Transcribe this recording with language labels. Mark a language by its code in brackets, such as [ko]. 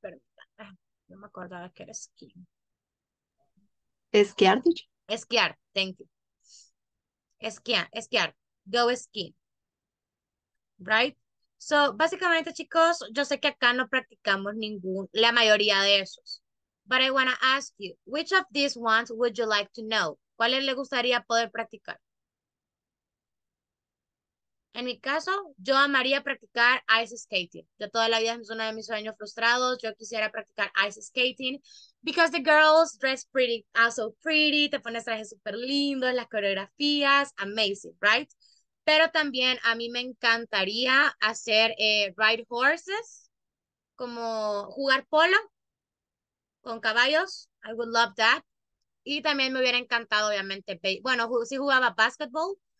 [es] Perdón, no me acordaba que era skiing. ¿Esquiar, dicho? [en] Esquiar, thank you. Esquiar. Go skiing. Right? [es] So, básicamente, chicos, yo sé que acá no practicamos ningún... La mayoría de esos. [en] But I want to ask you, which of these ones would you like to know? [es] ¿Cuáles le gustaría poder practicar? En mi caso, yo amaría practicar ice skating. Yo toda la vida es uno de mis sueños frustrados. Yo quisiera practicar [en] ice skating because the girls dress pretty, also pretty. [es] Te pones trajes súper lindos, las coreografías, amazing, right? Pero también a mí me encantaría hacer ride horses, como jugar polo con caballos. [en] I would love that. [es] Y también me hubiera encantado, obviamente, bueno, si jugaba basketball.